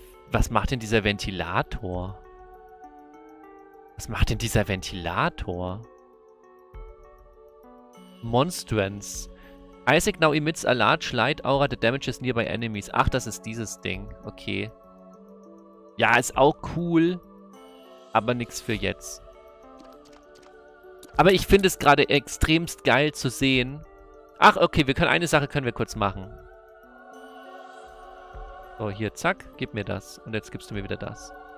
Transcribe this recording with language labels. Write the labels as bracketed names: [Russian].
[German] Was macht denn dieser Ventilator? Was macht denn dieser Ventilator? [English] Monstrance. Isaac now emits a large light aura that damages nearby enemies. [German] Ach, das ist dieses Ding. Okay. Ja, ist auch cool. Aber nichts für jetzt. Aber ich finde es gerade extremst geil zu sehen. Ach, okay, wir können eine Sache können wir kurz machen. Oh, hier, zack, gib mir das. Und jetzt gibst du mir wieder das.